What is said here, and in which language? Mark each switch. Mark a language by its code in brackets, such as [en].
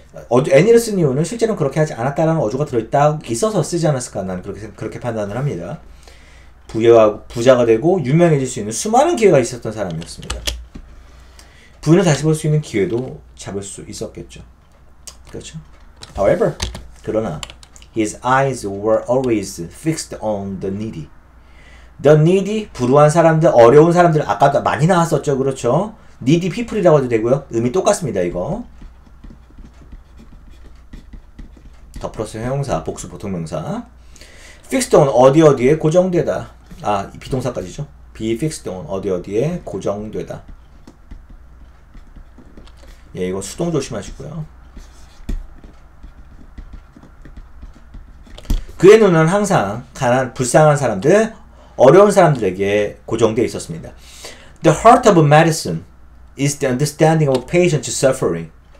[ko] 어, any를 쓴 이유는 실제로는 그렇게 하지 않았다라는 어조가 들어있다, 있어서 쓰지 않았을까, 나는 그렇게 판단을 합니다. 부여하고 부자가 되고 유명해질 수 있는 수많은 기회가 있었던 사람이었습니다. 부인을 다시 볼 수 있는 기회도 잡을 수 있었겠죠. 그렇죠? [en] However, [ko] 그러나 [en] his eyes were always fixed on the needy. The needy, [ko] 불우한 사람들, 어려운 사람들, 아까도 많이 나왔었죠, 그렇죠? [en] Needy people [ko] 이라고 해도 되고요. 의미 똑같습니다, 이거. 더 플러스 형용사, 복수 보통명사. [en] Fixed on [ko] 어디 어디에 고정되다. 아, 비동사까지죠. [en] Be fixed on [ko] 어디 어디에 고정되다. 예, 이거 수동 조심하시고요. 그의 눈은 항상 가난, 불쌍한 사람들, 어려운 사람들에게 고정되어 있었습니다. [en] The heart of medicine is the understanding of a patient's suffering.